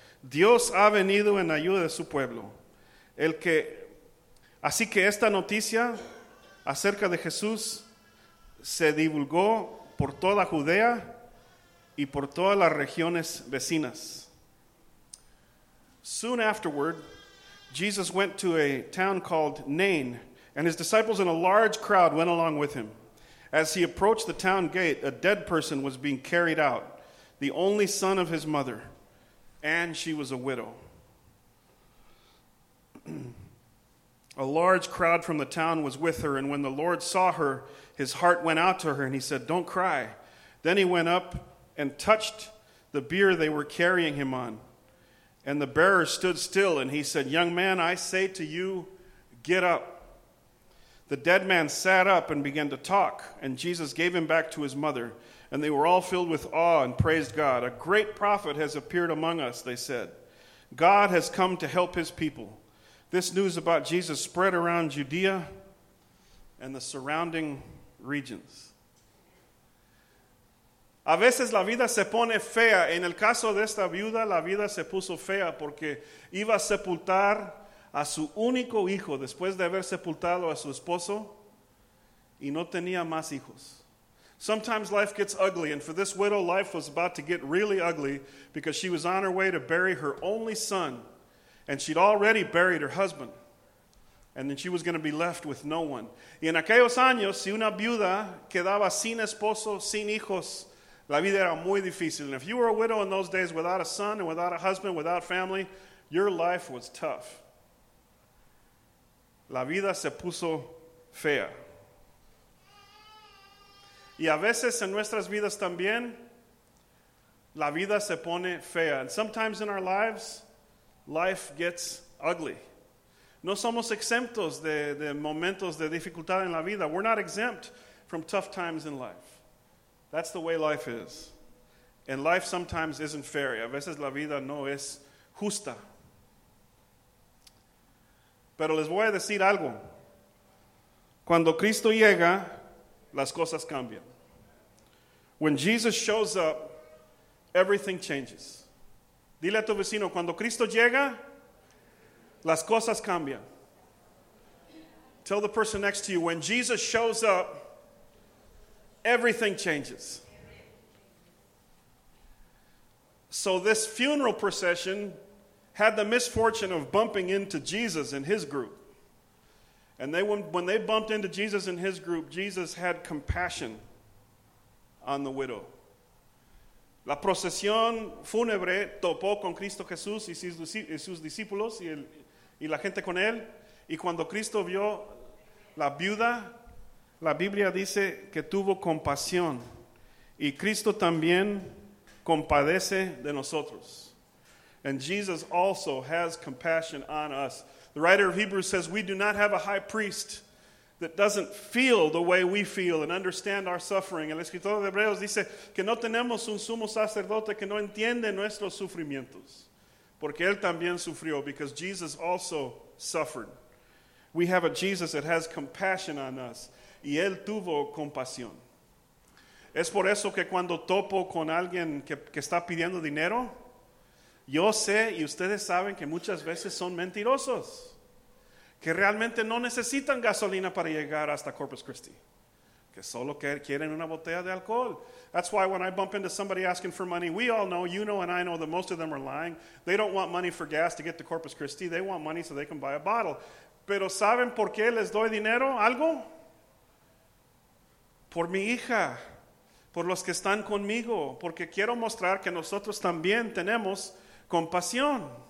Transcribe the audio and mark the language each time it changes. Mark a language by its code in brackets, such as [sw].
[es] Dios ha venido en ayuda de su pueblo. Así que esta noticia acerca de Jesús se divulgó por toda Judea y por todas las regiones vecinas. [en] Soon afterward, Jesus went to a town called Nain, and his disciples and a large crowd went along with him. As he approached the town gate, a dead person was being carried out, the only son of his mother, and she was a widow. A large crowd from the town was with her, and when the Lord saw her, his heart went out to her, and he said, "Don't cry." Then he went up and touched the bier they were carrying him on. And the bearer stood still, and he said, "Young man, I say to you, get up." The dead man sat up and began to talk, and Jesus gave him back to his mother. And they were all filled with awe and praised God. "A great prophet has appeared among us," they said. "God has come to help his people." This news about Jesus spread around Judea and the surrounding regions. [es] A veces la vida se pone fea. En el caso de esta viuda, la vida se puso fea porque iba a sepultar a su único hijo después de haber sepultado a su esposo y no tenía más hijos. [en] Sometimes life gets ugly, and for this widow, life was about to get really ugly because she was on her way to bury her only son, and she'd already buried her husband, and then she was going to be left with no one. [es] Y en aquellos años, si una viuda quedaba sin esposo, sin hijos, la vida era muy difícil. [en] And if you were a widow in those days without a son and without a husband, without family, your life was tough. [es] La vida se puso fea. Y a veces en nuestras vidas también, la vida se pone fea. [en] And sometimes in our lives, life gets ugly. [es] No somos exentos de momentos de dificultad en la vida. [en] We're not exempt from tough times in life. That's the way life is. And life sometimes isn't fair. [es] A veces la vida no es justa. Pero les voy a decir algo. Cuando Cristo llega, las cosas cambian. [en] When Jesus shows up, everything changes. [es] Dile a tu vecino, cuando Cristo llega, las cosas cambian. [en] Tell the person next to you, when Jesus shows up, everything changes. So this funeral procession had the misfortune of bumping into Jesus and his group. And when they bumped into Jesus and his group, Jesus had compassion on the widow. [es] La procesión fúnebre topó con Cristo Jesús y sus discípulos y la gente con él. Y cuando Cristo vio la viuda, la Biblia dice que tuvo compasión. Y Cristo también compadece de nosotros. [en] And Jesus also has compassion on us. The writer of Hebrews says, we do not have a high priest that doesn't feel the way we feel and understand our suffering. [es] El escritor de Hebreos dice que no tenemos un sumo sacerdote que no entiende nuestros sufrimientos, porque él también sufrió, [en] because Jesus also suffered. We have a Jesus that has compassion on us, [es] y él tuvo compasión. Es por eso que cuando topo con alguien que está pidiendo dinero, yo sé y ustedes saben que muchas veces son mentirosos, que realmente no necesitan gasolina para llegar hasta Corpus Christi, que solo quieren una botella de alcohol. [en] That's why when I bump into somebody asking for money, we all know, you know and I know, that most of them are lying. They don't want money for gas to get to Corpus Christi. They want money so they can buy a bottle. [es] Pero ¿saben por qué les doy dinero? ¿Algo? Por mi hija, por los que están conmigo, porque quiero mostrar que nosotros también tenemos compasión.